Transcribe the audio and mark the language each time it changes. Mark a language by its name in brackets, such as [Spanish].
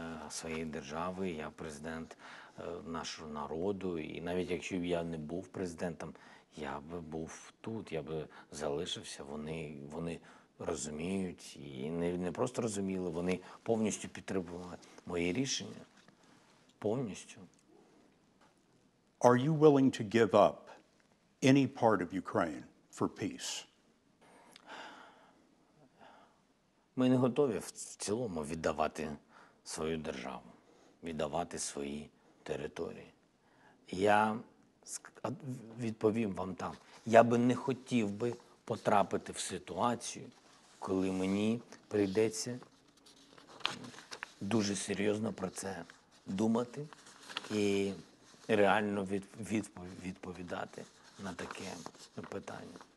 [Ukrainian] своєї держави, я президент нашого народу. І навіть якщо б я не був президентом, я би був тут, я би залишився. Вони розуміють і не просто розуміли, вони повністю підтримували моє рішення. Повністю. [English] Are you willing to give up any part of Ukraine for peace? [Ukrainian] Ми не готові в цілому віддавати свою державу, віддавати свої території. Я відповім вам так. Я би не хотів би потрапити в ситуацію, коли мені прийдеться дуже серйозно про це думати і реально відповідати на таке питання.